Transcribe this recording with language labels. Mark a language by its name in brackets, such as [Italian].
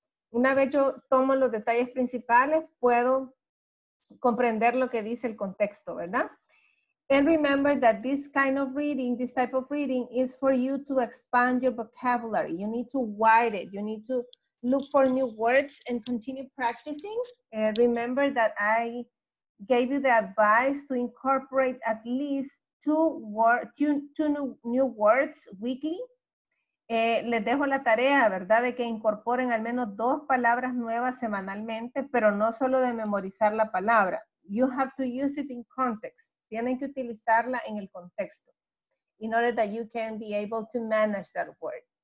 [Spanish] Una vez yo tomo los detalles principales, puedo comprender lo que dice el contexto, ¿verdad? [English] And remember that this kind of reading, this type of reading, is for you to expand your vocabulary. You need to widen it. You need to look for new words and continue practicing. And remember that I gave you the advice to incorporate at least two new words weekly. [Spanish] Les dejo la tarea, ¿verdad? De que incorporen al menos dos palabras nuevas semanalmente, pero no solo de memorizar la palabra. [English] You have to use it in context. [Spanish] Tienen que utilizarla en el contexto. [English] In order that you can be able to manage that word.